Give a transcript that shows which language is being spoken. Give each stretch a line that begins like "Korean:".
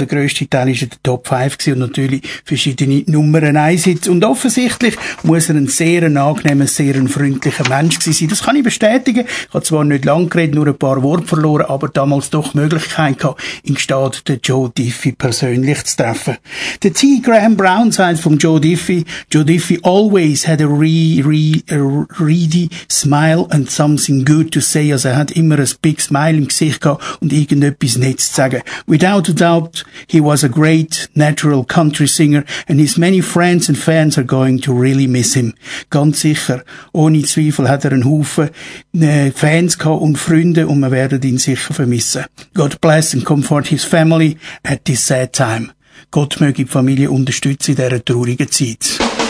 German: Der grösste Teil war in der Top 5 und natürlich verschiedene Nummern 1 Hits. Und offensichtlich muss er ein sehr angenehmer, sehr freundlicher Mensch gewesen sein. Das kann ich bestätigen. Ich habe zwar nicht lang geredet, nur ein paar Worte verloren, aber damals doch Möglichkeit gehabt, in Gstaad den Joe Diffie persönlich zu treffen. Der T.
English: Graham Brown
German: sagt vom
English: Joe Diffie: Joe Diffie always had a really smile and something good to say.
German: Also er hat immer ein
English: big smile
German: im Gesicht gehabt und irgendetwas Nettes zu sagen.
English: Without a doubt, he was a great natural country singer and his many friends and fans are going to really miss him.
German: Ganz sicher, ohne Zweifel hat er einen Haufen Fans gehabt und Freunde und wir werden ihn sicher vermissen.
English: God bless and comfort his family at this sad time.
German: Gott möge die Familie unterstützen in dieser traurigen Zeit.